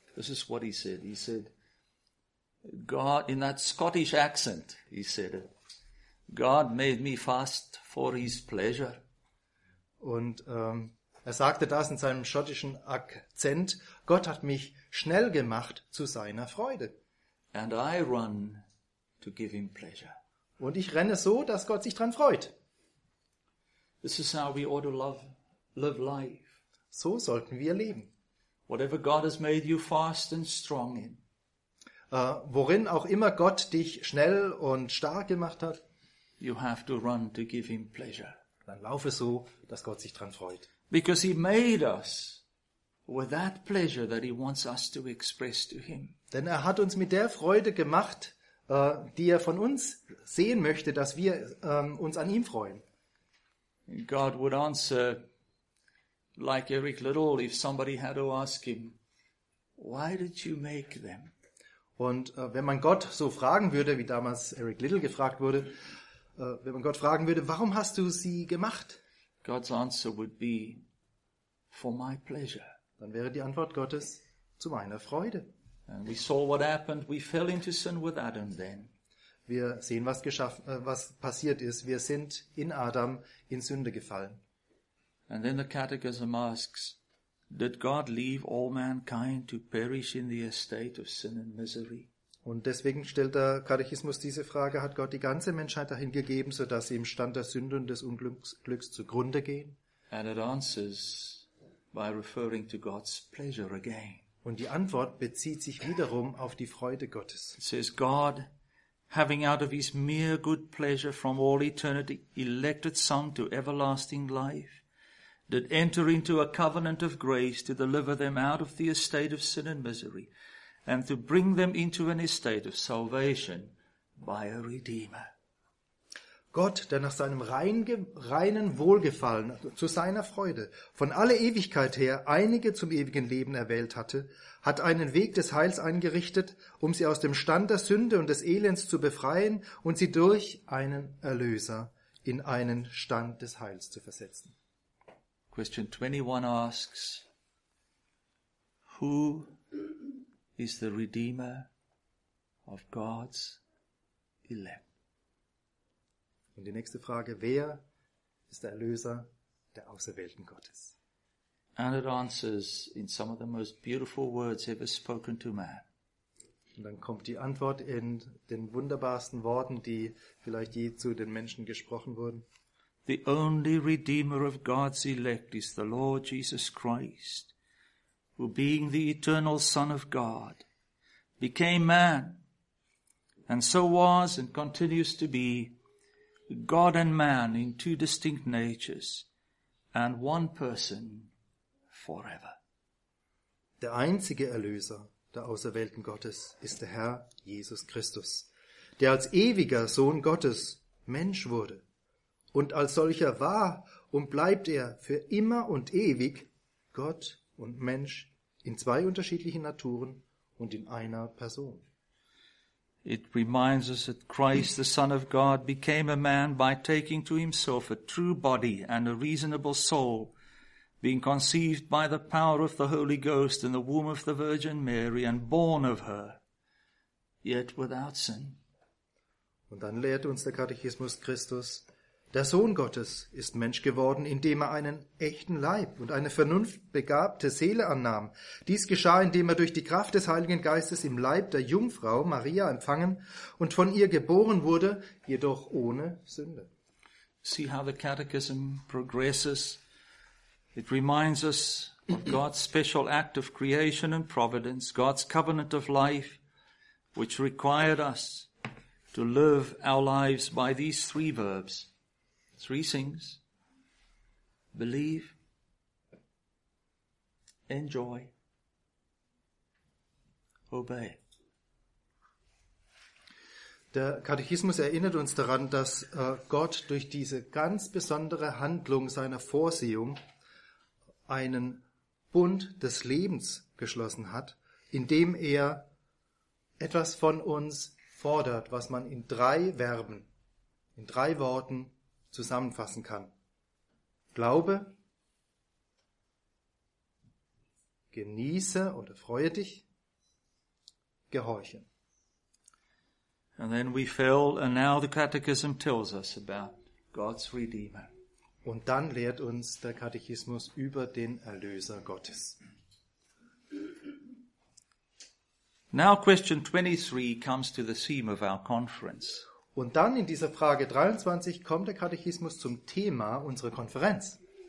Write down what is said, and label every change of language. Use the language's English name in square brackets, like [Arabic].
[English] This is what he said. He said, God, in that Scottish accent, he said it. God made me fast for his pleasure. [German] Und er sagte das in seinem schottischen Akzent. Gott hat mich schnell gemacht zu seiner Freude. [English] And I run to give him pleasure. [German] Und ich renne so, dass Gott sich dran freut. [English] This is how we ought to live life. [German] So sollten wir leben. [English] Whatever God has made you fast and strong in. [German] Worin auch immer Gott dich schnell und stark gemacht hat. [English] You have to run to give him pleasure. [German] Dann laufe so, dass Gott sich dran freut. [English] Because he made us with that pleasure that he wants us to express to him. [German] Denn er hat uns mit der Freude gemacht, die er von uns sehen möchte, dass wir uns an ihm freuen. [English] God would answer like Eric Little if somebody had to ask him, why did you make them? [German] Und wenn man Gott so fragen würde, wie damals Eric Little gefragt wurde, wenn man Gott fragen würde, warum hast du sie gemacht? [English] God's answer would be, for my pleasure. [German] Dann wäre die Antwort Gottes, zu meiner Freude. [English] And we saw what happened. We fell into sin with Adam then. [German] Wir sehen, was passiert ist. Wir sind in Adam in Sünde gefallen. [English] And then the catechism asks, did God leave all mankind to perish in the estate of sin and misery? [German] Und deswegen stellt der Katechismus diese Frage, hat Gott die ganze Menschheit dahin gegeben, so dass sie im Stand der Sünde und des Unglücks zugrunde gehen? [English] And it answers by referring to God's pleasure again. [German] Und die Antwort bezieht sich wiederum auf die Freude Gottes. [English] It says, God, having out of his mere good pleasure from all eternity elected some to everlasting life, did enter into a covenant of grace to deliver them out of the estate of sin and misery and to bring them into an estate of salvation by a Redeemer. [German] Gott, der nach seinem reinen Wohlgefallen zu seiner Freude von aller Ewigkeit her einige zum ewigen Leben erwählt hatte, hat einen Weg des Heils eingerichtet, um sie aus dem Stand der Sünde und des Elends zu befreien und sie durch einen Erlöser in einen Stand des Heils zu versetzen. [English] Question 21 asks, who is the Redeemer of God's elect? [German] Und die nächste Frage, wer ist der Erlöser der Auserwählten Gottes? [English] And it answers in some of the most beautiful words ever spoken to man. [German] Und dann kommt die Antwort in den wunderbarsten Worten, die vielleicht je zu den Menschen gesprochen wurden. [English] The only Redeemer of God's elect is the Lord Jesus Christ, who being the eternal Son of God, became man, and so was and continues to be God and man in two distinct natures and one person forever. [German] Der einzige Erlöser der Auserwählten Gottes ist der Herr Jesus Christus, der als ewiger Sohn Gottes Mensch wurde. Und als solcher war und bleibt er für immer und ewig Gott und Mensch in zwei unterschiedlichen Naturen und in einer Person. [English] It reminds us that Christ, the Son of God, became a man by taking to himself a true body and a reasonable soul, being conceived by the power of the Holy Ghost in the womb of the Virgin Mary and born of her, yet without sin. [German] Und dann lehrt uns der Katechismus, Christus, der Sohn Gottes ist Mensch geworden, indem er einen echten Leib und eine vernunftbegabte Seele annahm. Dies geschah, indem er durch die Kraft des Heiligen Geistes im Leib der Jungfrau Maria empfangen und von ihr geboren wurde, jedoch ohne Sünde. [English] See how the catechism progresses. It reminds us of God's special act of creation and providence, God's covenant of life, which required us to live our lives by these three verbs. Three things: believe, enjoy, obey. [German] Der Katechismus erinnert uns daran, dass Gott durch diese ganz besondere Handlung seiner Vorsehung einen Bund des Lebens geschlossen hat, indem er etwas von uns fordert, was man in drei Verben, in drei Worten zusammenfassen kann. Glaube, genieße oder freue dich, gehorche. [English] And then we fell, and now the catechism tells us about God's Redeemer. [German] Und dann lehrt uns der Katechismus über den Erlöser Gottes. [English] Now question 23 comes to the theme of our conference. [German] Und dann in dieser Frage 23 kommt der Katechismus zum Thema unserer Konferenz.